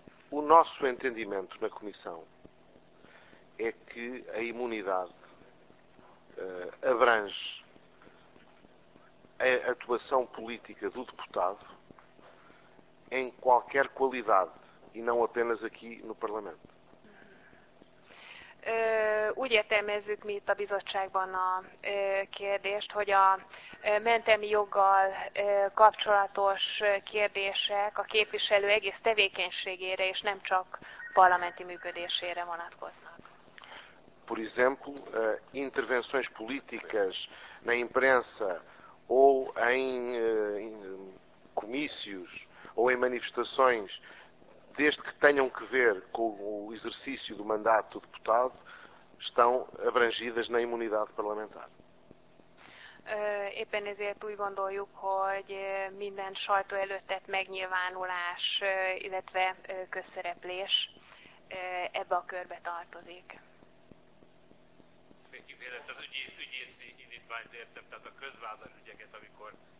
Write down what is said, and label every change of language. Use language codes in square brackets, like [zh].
[pt] O nosso entendimento na Comissão é que a imunidade abrange a atuação política do deputado em qualquer qualidade e não apenas aqui no Parlamento. [hu] Úgy értelmezzük mi itt a bizottságban a kérdést, hogy a mentelmi joggal kapcsolatos kérdések a képviselő egész tevékenységére és nem csak parlamenti működésére vonatkoznak. [pt] Por exemplo, intervenções políticas na imprensa ou em comícios ou em manifestações, desde que tenham que ver com o exercício do mandato do deputado, estão abrangidas na imunidade parlamentar. [hu] Éppen ezért úgy gondoljuk, hogy minden sajtó előttet megnyilvánulás, illetve közszereplés ebbe a körbe tartozik. Kivélet az ügyészi indítványt értem, tehát a közvádas ügyeket, amikor